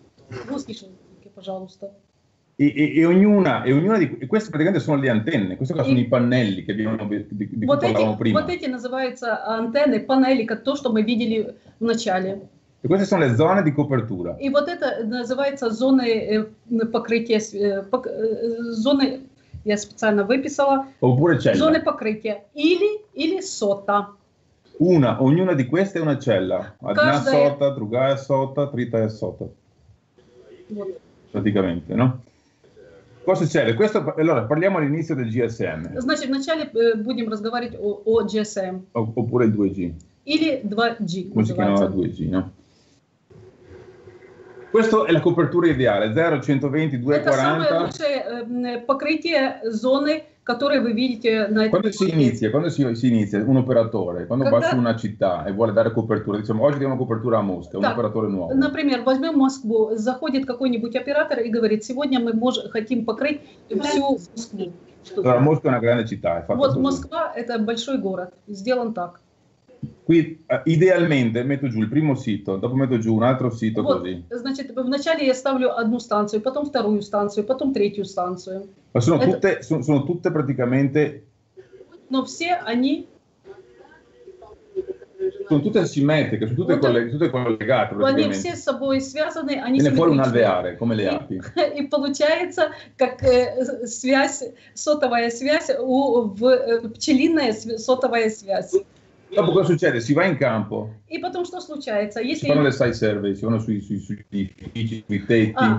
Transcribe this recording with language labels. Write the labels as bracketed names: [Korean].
[Russian] Выслушайте, пожалуйста. [Italian] И ognuna, и questo praticamente sono le antenne. Questo caso sono i pannelli che abbiamo di cui parlavamo prima. [Russian] Вот эти называются антенны, панели, как то, что мы видели в начале. [Italian] E queste sono le zone di copertura. [Russian] И вот это называется зоны покрытия, зоны, я специально выписала. [Italian] Oppure cella. [Russian] Зоны покрытия или сота. [Italian] Una, ognuna di queste è una cella. Una sota, другая sota, trita è sota. Praticamente, no? Cosa succede? Questo, allora, parliamo all'inizio del GSM. [Russian] Значит, вначале будем разговаривать о GSM. [Italian] Oppure il 2G. [Russian] Или 2G. [Italian] Come si chiamava 2G, no? Questo è la copertura ideale, 0, 120, 240. [Russian] Это самое лучшее покрытие зоны, которые вы видите на этой. [Italian] Quando si inizia, un operatore, quando passa una città e vuole dare copertura, diciamo, oggi diamo copertura a Mosca, un operatore nuovo. [Russian] Например, возьмем Москву, заходит какой-нибудь оператор и говорит, сегодня мы хотим покрыть всю Москву. [Italian] Allora, Mosca è una grande città, è fatto così. [Russian] Вот Москва – это большой город, сделан так. [Italian] Qui idealmente metto giù il primo sito, dopo metto giù un altro sito [Russian] вот, [Italian] così. [Russian] Значит, вначале я ставлю одну станцию, потом вторую станцию, потом третью станцию. [Italian] Ma sono tutte sono tutte praticamente. [Russian] Но все они. [Italian] Sono tutte simmetriche, sono тutte, tutte collegate. [Russian] Они все с собой связаны, они симметричны. [Italian] Viene fuori un alveare, come le api. [Russian] И получается, как связь, сотовая связь, пчелиная сотовая связь. [Italian] Dopo cosa succede? Si va in campo. [Russian] E потом что случается? [Italian] Если fanno le site survey, si vanno sui edifici, sui tetti.